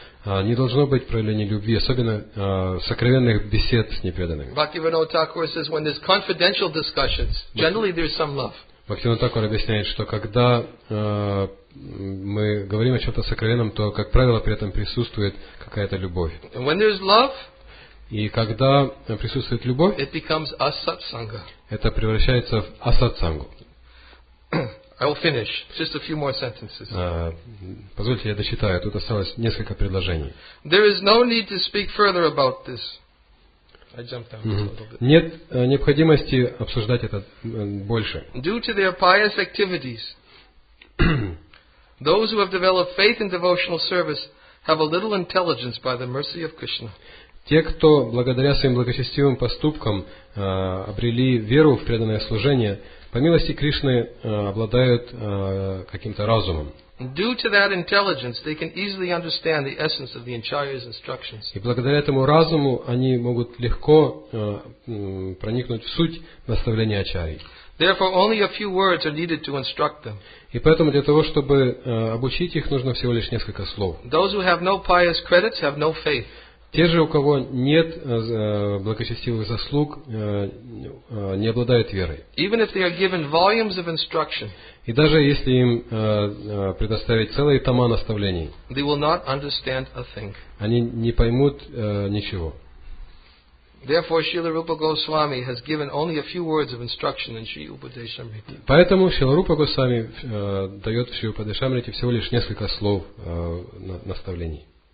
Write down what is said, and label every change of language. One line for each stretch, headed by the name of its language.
Russian: Не должно быть проявления любви, особенно сокровенных бесед с непреданными.
English: Bhaktivinoda Thakura says, when there's confidential discussions, generally there's some love.
Russian: Бхактивинода Такура объясняет, что когда мы говорим о чем-то сокровенном, то, как правило, при этом присутствует какая-то любовь.
English: And when there's love,
Russian: и когда присутствует любовь,
English: it becomes a satsanga.
Russian: Это превращается в асатсангу.
English: I will finish. Just a few more sentences.
Russian: Позвольте, я дочитаю. Тут осталось несколько предложений.
English: There is no need to speak further about this. I jumped down a little bit.
Russian: Нет необходимости обсуждать это больше.
English: Due to their pious activities, those who have developed faith in devotional service have a little intelligence by the mercy of Krishna.
Russian: Те, кто благодаря своим благочестивым поступкам обрели веру в преданное служение, по милости Кришны обладают каким-то разумом.
English: Due to that intelligence, they can easily understand the essence of the Acharya's instructions.
Russian: И благодаря этому разуму они могут легко проникнуть в суть наставления Ачарьи.
English: Therefore, only a few words are needed to instruct them.
Russian: И поэтому для того, чтобы обучить их, нужно всего лишь несколько слов.
English: Those who have no pious credits have no faith.
Russian: Те же, у кого нет благочестивых заслуг, не обладают верой.
English: Even if they are given volumes of instruction,
Russian: и даже если им предоставить целые тома наставлений,
English: they will not understand a thing.
Russian: Они не поймут ничего.
English: Therefore, Srila Rupa Goswami has given only a few words of instruction in Sri Upadeshamriti.
Russian: Поэтому Srila Rupa Goswami дает в Sri Upadeshamriti всего лишь несколько слов наставлений.